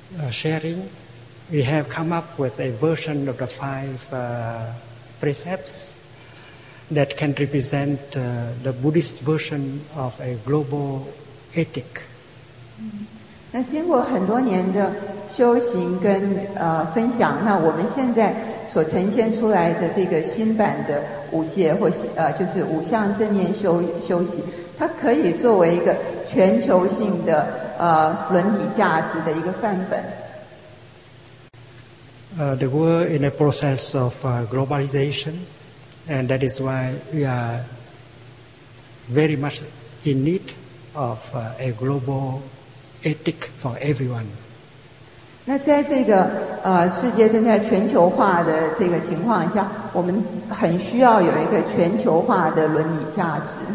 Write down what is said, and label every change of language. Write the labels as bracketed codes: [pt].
[en] sharing, we have come up with a version of the five precepts that can represent the Buddhist version of a global ethic. [zh] 那经过很多年的修行跟分享，那我们现在所呈现出来的这个新版的五戒或就是五项正念修习，它可以作为一个全球性的伦理价值的一个范本。 [en] The world in a process of globalization, and that is why we are very much in need of a global ethic for everyone. [zh] 那在这个世界正在全球化的这个情况下，我们很需要有一个全球化的伦理价值。